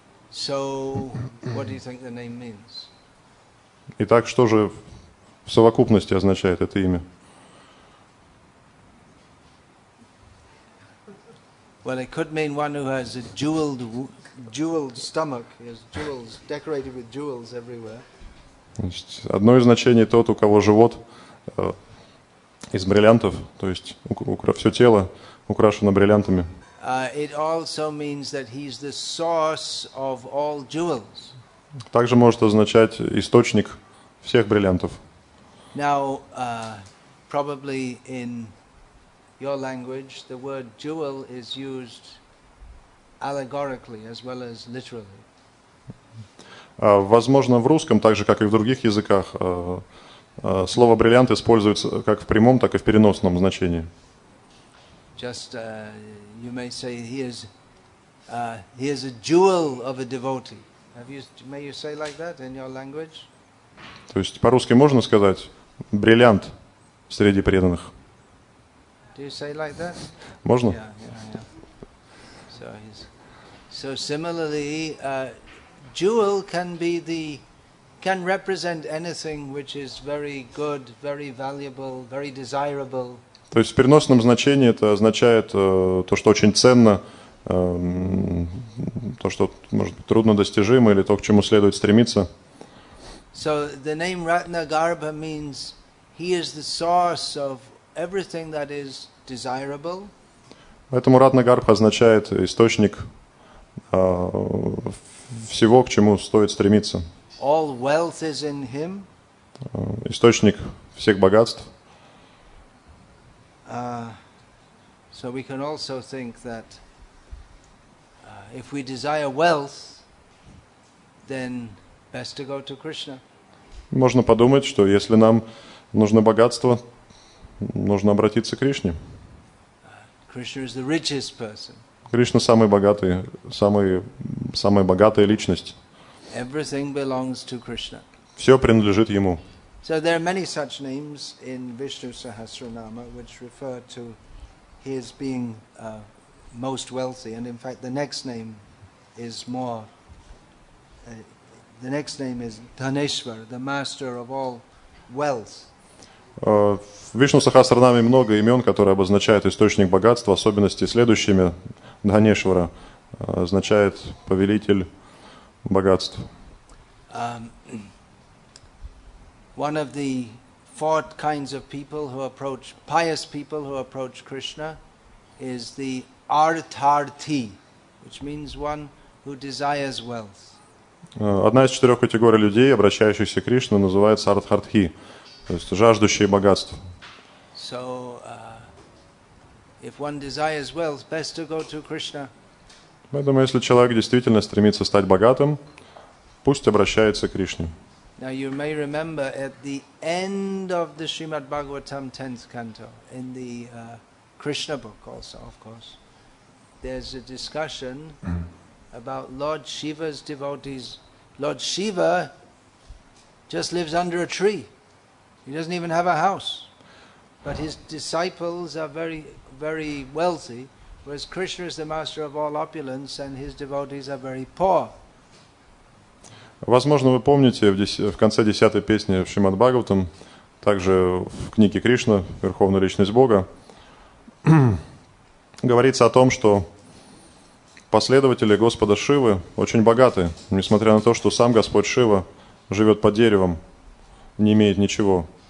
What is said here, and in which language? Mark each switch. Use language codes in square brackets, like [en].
[en] So, what do you think the name means? [ru] Итак, что же в совокупности означает это имя? [en] Well, it could mean one who has a jeweled stomach. He has jewels decorated with jewels everywhere. [ru] Одно из значений тот, у кого живот из бриллиантов, то есть все тело украшено бриллиантами. [en] It also means that he's the source of all jewels. [ru] Также может означать источник всех бриллиантов. [en] Now, probably in your language, the word jewel is used allegorically as well as literally. [ru] Возможно, в русском, так же, как и в других языках, слово бриллиант используется как в прямом, так и в переносном значении. [en] Just, you may say, he is a jewel of a devotee. May you say like that in your language? [ru] То есть, по-русски можно сказать бриллиант среди преданных? [en] Do you say like that? [ru] Можно? [en] Yeah. So similarly, jewel can represent anything which is very good, very valuable, very desirable. [ru] То есть в переносном значении это означает то, что очень ценно, то, что может быть труднодостижимо или то, к чему следует стремиться. [en] So the name Ratnagarbha means he is the source of everything that is desirable. [ru] Поэтому Ратнагарбха означает источник всего, к чему стоит стремиться. [en] All wealth is in him. [ru] Источник всех богатств. [en] So we can also think that if we desire wealth, then best to go to Krishna. [ru] Можно подумать, что если нам нужно богатство, нужно обратиться к Кришне. [en] Krishna is the richest person. [ru] Кришна самый богатый, самая богатая личность. [en] Everything belongs to Krishna. [ru] Все принадлежит ему. [en] So there are many such names in Vishnu Sahasranama which refer to his being most wealthy, and in fact the next name is Dhaneshwar, the master of all wealth. [ru] В Вишну Сахасранаме много имен, которые обозначают источник богатства, особенности следующими. Дханешвара означает повелитель богатств. [en] One of the four kinds of people who approach, pious people who approach Krishna is the Artharthi, which means one who desires wealth. [ru] Одна из четырех категорий людей, обращающихся к Кришне, называется Артхартхи, то есть жаждущие богатств. [en] So, if one desires wealth, best to go to Krishna. [ru] Поэтому, если человек действительно стремится стать богатым, пусть обращается к Кришне. [en] Now you may remember at the end of the Srimad Bhagavatam 10th canto, in the Krishna book also, of course, there's a discussion about Lord Shiva's devotees. Lord Shiva just lives under a tree. He doesn't even have a house. But his disciples are very, very wealthy, whereas Krishna is the master of all opulence and his devotees are very poor. [ru] Возможно, вы помните, в конце 10-й песни в Шримад Бхагаватам, также в книге Кришна, Верховная Личность Бога, говорится о том, что последователи Господа Шивы очень богаты, несмотря на то, что сам Господь Шива живет под деревом, не имеет ничего.